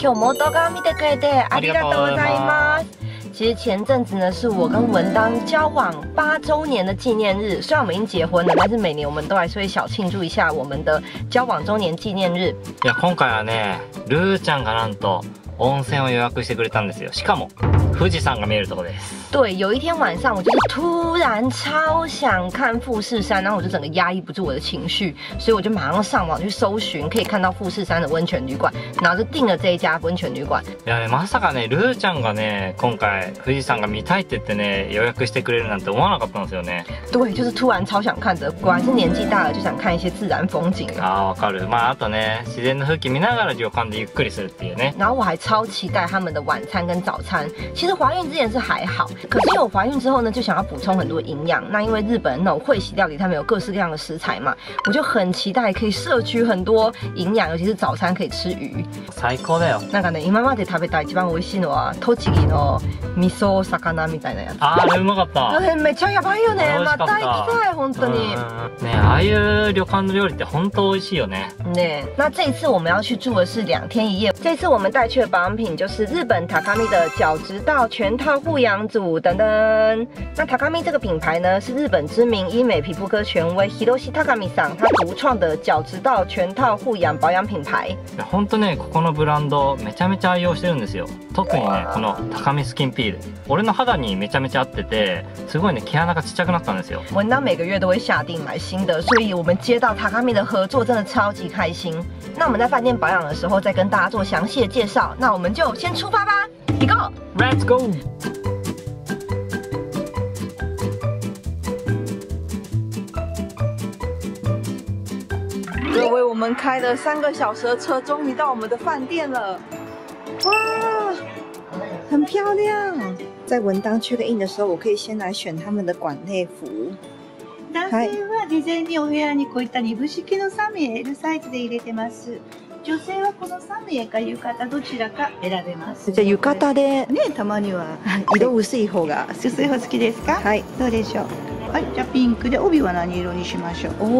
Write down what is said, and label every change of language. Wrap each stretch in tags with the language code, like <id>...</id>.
<ja>今日も動画を見てくれてありがとうございます。</ja> <zh>其实前阵子呢，是我跟文当交往8周年的纪念日。虽然我们已经结婚了，但是每年我们都还是会小庆祝一下我们的交往周年纪念日。</zh> <ja>いや、今回はね、ルーちゃんがなんと温泉を予約してくれたんですよ。しかも富士山が見えるところです。</ja> <zh>对，有一天晚上，我就是突然超想看富士山，然后我就整个压抑不住我的情绪，所以我就马上上网去搜寻可以看到富士山的温泉旅馆，然后就订了这一家温泉旅馆。</zh> <ja>いやね、まさかね、ルーちゃんがね、今回富士山が見たいって言ってね、予約してくれるなんて思わなかったんですよね。</ja> <zh>对，就是突然超想看的，果然是年纪大了就想看一些自然风景。</zh> <ja>啊，わかる。まああとね、自然の風景見ながら旅館でゆっくりするっていうね。</ja> <zh>然后我还超期待他们的晚餐跟早餐。其实怀孕之前是还好。可是我怀孕之后呢，就想要补充很多营养。那因为日本那种会席料理，他们有各式各样的食材嘛，我就很期待可以摄取很多营养，尤其是早餐可以吃鱼。</zh> <ja>最高だよ。なんかね、今まで食べた一番美味しいのは栃木の味噌魚みたいなやつ。あれうまかった。あれめっちゃやばいよね。また行きたい本当に。ね、ああいう旅館の料理って本当美味しいよね。</ja> <zh>ね、那这一次我们要去住的是2天1夜。这次我们带去的保养品就是日本榻榻米的角质道全套护养组。等等，那榻榻米这个品牌呢，是日本知名医美皮肤科权威 Hiroshi Takami さん他独创的角质道全套护养保养品牌。</zh> <ja>本当ね、ここのブランドめちゃめちゃ愛用してるんですよ。特にね、この榻榻米スキンピール、俺の肌にめちゃめちゃ合ってて、すごいね毛穴がちっちゃくなったんですよ。</ja> <zh>文章每个月都会下定买新的，所以我们接到榻榻米的合作真的超级开心。那我们在饭店保养的时候再跟大家做详细的介绍。那我们就先出发吧</zh> <en>，Let's go。</en> <zh>各位，我们开了3个小时的车，终于到我们的饭店了。哇，很漂亮。在文当确认的时候，我可以先来选他们的馆内服。</zh> <ja>男性は事前にお部屋にこういった2部式の3Lサイズで入れてます。女性はこの3Lか浴衣どちらか選べます。じゃあ浴衣でね、たまには色薄い方が薄い方好きですか？はい。どうでしょう。はい、じゃあピンクで帯は何色にしましょう。</ja>